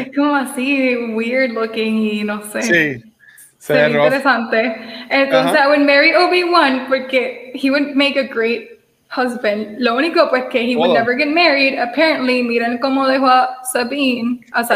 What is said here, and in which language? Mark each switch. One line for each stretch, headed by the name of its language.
Spanish: Es como así,
English: weird looking
Spanish: y no sé. Sí, se ve interesante.
English: Entonces, I would marry Obi-Wan porque he would make a great husband.
Spanish: Lo único pues que
English: he would never get married. Apparently,
Spanish: miren cómo dejó a Satine.